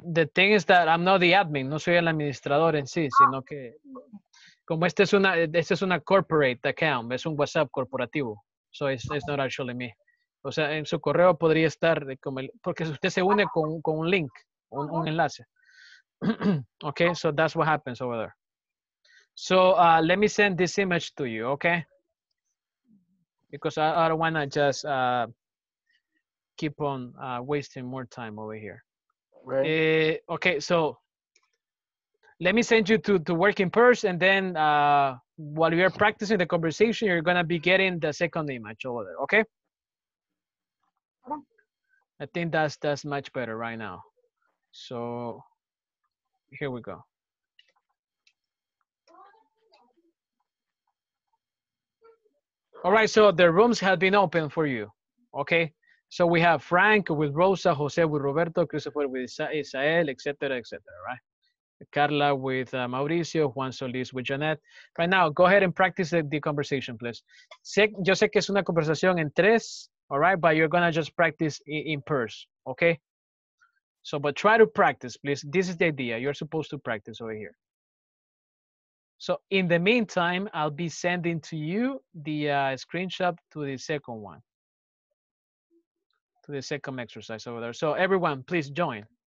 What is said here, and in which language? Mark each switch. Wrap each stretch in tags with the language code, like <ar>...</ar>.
<en>The thing is that I'm not the admin,</en> <es>no soy el administrador en sí, sino que como esta es una corporate account, es un WhatsApp corporativo,</es> <en>so it's not actually me.</en> <es>O sea, en su correo podría estar como el, porque usted se une con un link, un enlace.</es> <en>Okay, so that's what happens over there. So let me send this image to you, okay? because I don't want to just keep on wasting more time over here. Right. Okay, so let me send you to work in person, and then while you're practicing the conversation, you're going to be getting the second image over there, okay? I think that's much better right now. So here we go. All right, so the rooms have been open for you, okay? So we have Frank with Rosa, Jose with Roberto, Christopher with Isael, et cetera, et cetera, right? Carla with Mauricio, Juan Solis with Jeanette. Right now, go ahead and practice the conversation, please.</en> <es>Yo sé que es una conversación en tres,</es> <en>all right? But you're going to just practice in person, okay? So, but try to practice, please. This is the idea. You're supposed to practice over here. So in the meantime, I'll be sending to you the screenshot to the second one, to the second exercise over there. So everyone, please join.</en>